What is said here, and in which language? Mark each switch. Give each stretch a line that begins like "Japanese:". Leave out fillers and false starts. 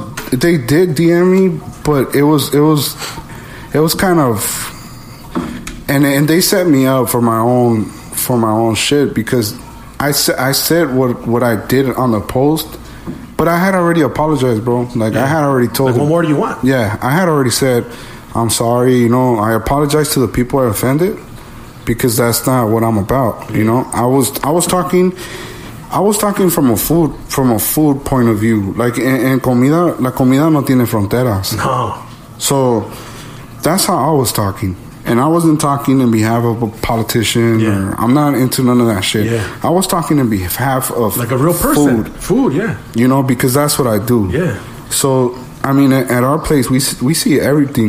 English: They did DM me, but it was kind of, and they set me up for my own shit, because I said what I did on the post, but I had already apologized, bro. Like, I had already told. Like, what more do you want? Yeah, I had already said, I'm sorry. You know, I apologize to the people I offended. Because that's not what I'm about, you know. I was talking from a food point of view.
Spanish: Like, en comida, la comida no tiene fronteras.
English: No. So that's how I was talking, and I wasn't talking in behalf of a politician. Yeah. Or I'm not into none of that shit. Yeah. I was talking in behalf of like a real person. Food, yeah. You know, because that's what I do. Yeah. So I mean, at our place, we see everything.